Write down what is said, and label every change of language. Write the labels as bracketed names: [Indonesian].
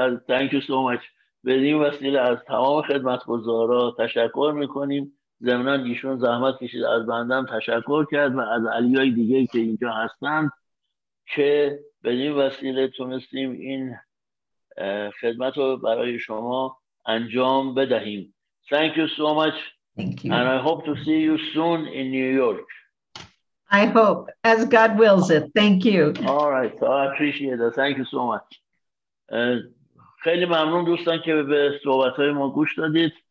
[English] Thank you so much. [Persian] به این وسیله از تمام خدمتگزارا تشکر میکنیم ضمناً ایشون زحمت کشید از بنده هم تشکر کرد و از علیای دیگه که اینجا هستن که به این وسیله تونستیم این خدمت رو برای شما انجام بدهیم. [English] Thank you so much. Thank you. And I hope to see you soon in New York. I hope, as God wills it. Thank you. All right. So I appreciate that. Thank you so much. [Persian] خیلی ممنون دوستان که به صحبت‌های ما گوش دادید.